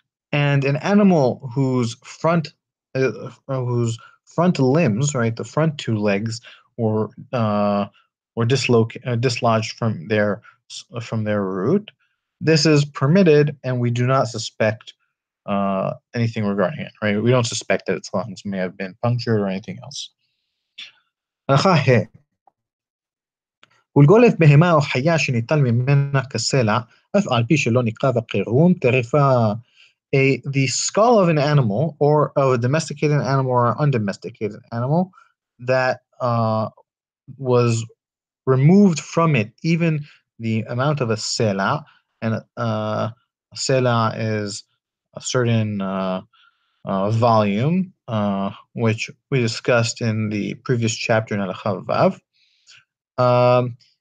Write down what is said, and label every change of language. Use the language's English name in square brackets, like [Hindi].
[English] And an animal whose front limbs, right, the front two legs, were dislodged from their root, this is permitted, and we do not suspect anything regarding it, right? We don't suspect that its lungs may have been punctured or anything else. [Hebrew] גולגולת בהמה או חיה שניטל ממנה כסלע, אף על פי שלא נקרא בקירום, טריפה. [English] The skull of an animal, or of a domesticated animal or undomesticated animal, that was removed from it, even the amount of a sela, and a sela is a certain volume, which we discussed in the previous chapter in Halakha Vav.